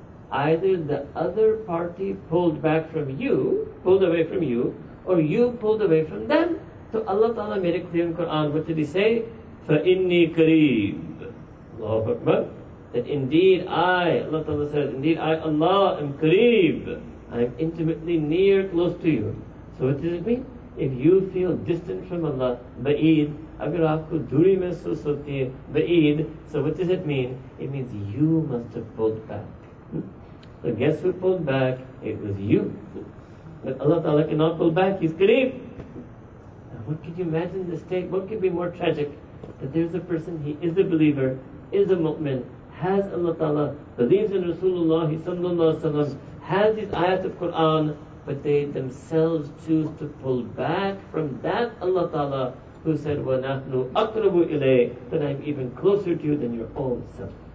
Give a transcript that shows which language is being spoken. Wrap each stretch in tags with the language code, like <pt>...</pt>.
<en>Either the other party pulled back from you, pulled away from you, or you pulled away from them. So Allah Ta'ala made it clear in Quran. What did He say?</en> <ar>فَإِنِّي كَرِيبٌ Allahu Akbar.</ar> <en>That indeed I, Allah Ta'ala says, indeed I, Allah, am kareeb. I am intimately near, close to you. So what does it mean? If you feel distant from Allah,</en> <ur>بعید، اگر آپکو دوری محسوس ہوتی ہے، بعید۔</ur> <en>So what does it mean? It means you must have pulled back. So guess who pulled back? It was you. But Allah Ta'ala cannot pull back. He's kareeb. What could you imagine the state? What could be more tragic? That there's a person, he is a believer, is a mu'min, has Allah Ta'ala, believes in Rasulullah sallallahu alayhi wa sallam, has these ayat of Quran, but they themselves choose to pull back from that Allah Ta'ala who said, wa nahnu aqrabu ilayh, that I'm even closer to you than your own self.</en>